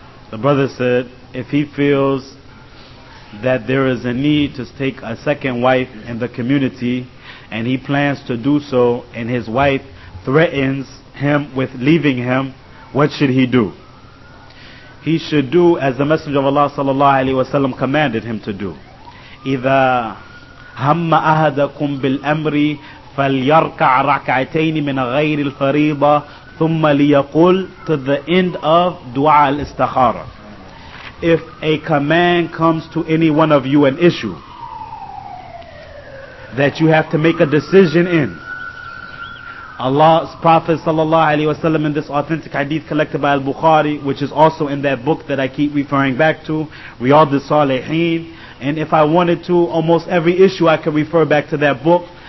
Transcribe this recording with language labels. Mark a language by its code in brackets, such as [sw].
[en] The brother said, if he feels that there is a need to take a second wife in the community, and he plans to do so, and his wife threatens him with leaving him, what should he do? He should do as the Messenger of Allah sallallahu alaihi wasallam commanded him to do. [ar] إِذَا هَمَّ أَهَدَكُمْ بِالْأَمْرِ فَلْيَرْكَعْ رَكْعَتَيْنِ مِنَ غَيْرِ الْفَرِيضَةِ ثُمَّ لِيَقُلْ, [en] to the end of Dua al-Istakhara. If a command comes to any one of you, an issue that you have to make a decision in, Allah's Prophet sallallahu alaihi wasallam, in this authentic hadith collected by al-Bukhari, which is also in that book that I keep referring back to, Riyadh al-Salihin, and if I wanted to, almost every issue I could refer back to that book,